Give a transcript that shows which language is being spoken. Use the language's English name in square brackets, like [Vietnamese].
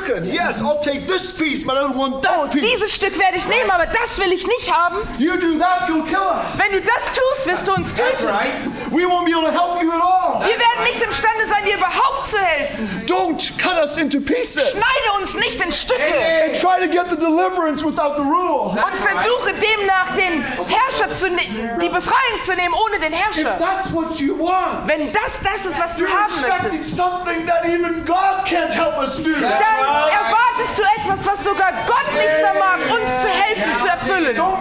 [English] Yes, I'll take this piece, but I don't want that piece. [German] Oh, dieses Stück werde ich nehmen, aber das will ich nicht haben. [English] You do that, you'll kill us. [German] Wenn du das tust, wirst du uns töten. [English] That's right. We won't be able to help you at all. [German] Wir werden nicht imstande sein, dir überhaupt zu helfen. [English] Don't cut us into pieces. [German] Schneide uns nicht in Stücke. [English] And try to get the deliverance without the rule. [German] Und versuche demnach den Herrscher zu nehmen, die Befreiung zu nehmen ohne den Herrscher. [English] If that's what you want. [German] Wenn das ist, was du haben möchtest. [English] You're expecting something that even God can't. [German] Dann erwartest du etwas, was sogar Gott nicht vermag, uns zu helfen, zu erfüllen.